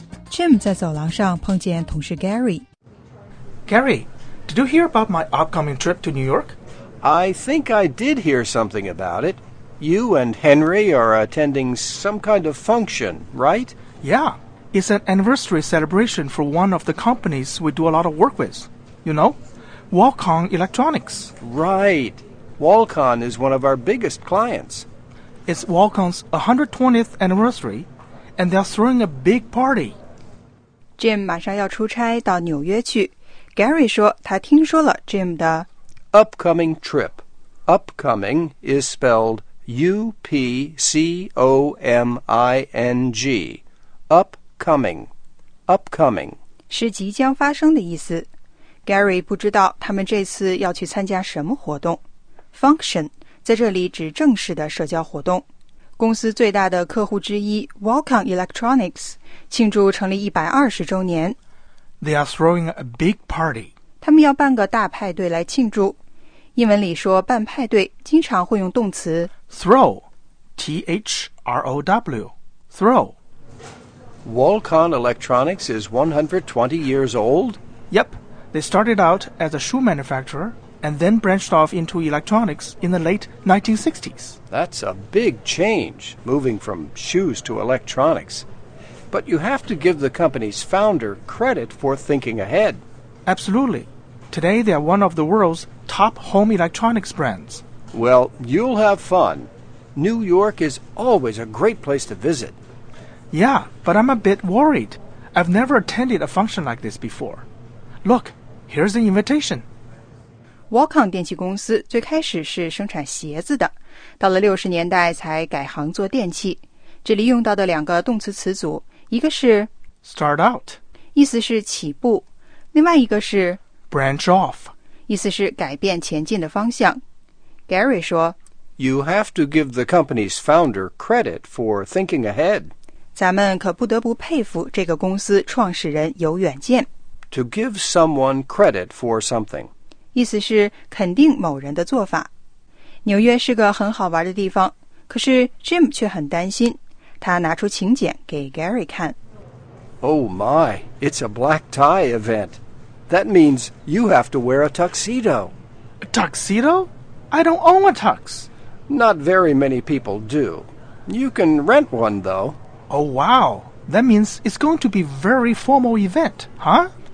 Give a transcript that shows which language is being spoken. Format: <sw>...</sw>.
<zh>Jim 在走廊上碰见同事 Gary。</zh> <en>Gary, did you hear about my upcoming trip to New York? I think I did hear something about it. You and Henry are attending some kind of function, right? Yeah, it's an anniversary celebration for one of the companies we do a lot of work with. You know, Walcon Electronics. Right. Walcon is one of our biggest clients. It's Walcon's 120th anniversary, and they're throwing a big party.</en> <zh>Jim 马上要出差到纽约去。Gary 说他听说了 Jim 的</zh> <en>upcoming trip. Upcoming is spelled... U-P-C-O-M-I-N-G. Upcoming. Upcoming.</en> <zh>是即将发生的意思。 Gary 不知道他们这次要去参加什么活动。 Function 在这里指正式的社交活动。公司最大的客户之一 Walcon Electronics 庆祝成立120周年。</zh> <en>They are throwing a big party.</en> <zh>他们要办个大派对来庆祝。英文里说办派对经常会用动词</zh> <en>Throw, T-H-R-O-W, throw. Walcon Electronics is 120 years old? Yep. They started out as a shoe manufacturer and then branched off into electronics in the late 1960s. That's a big change, moving from shoes to electronics. But you have to give the company's founder credit for thinking ahead. Absolutely. Today they are one of the world's top home electronics brands. Well, you'll have fun. New York is always a great place to visit. Yeah, but I'm a bit worried. I've never attended a function like this before. Look, here's the invitation.</en> <zh>Walcon 电器公司最开始是生产鞋子的，到了60年代才改行做电器。这里用到的两个动词词组，一个是</zh> <en>start out，</en> <zh>意思是起步，另外一个是</zh> <en>branch off，</en> <zh>意思是改变前进的方向。 Gary 说，</zh> <en>You have to give the company's founder credit for thinking ahead.</en> <zh>咱们可不得不佩服这个公司创始人有远见。</zh> <en>To give someone credit for something.</en> <zh>意思是肯定某人的做法。纽约是个很好玩的地方，可是 Jim 却很担心。他拿出请柬给 Gary 看。</zh> <en>Oh my, it's a black tie event. That means you have to wear a tuxedo. A tuxedo? I don't own a tux. Not very many people do. You can rent one, though. Oh, wow. That means it's going to be a very formal event, huh?</en>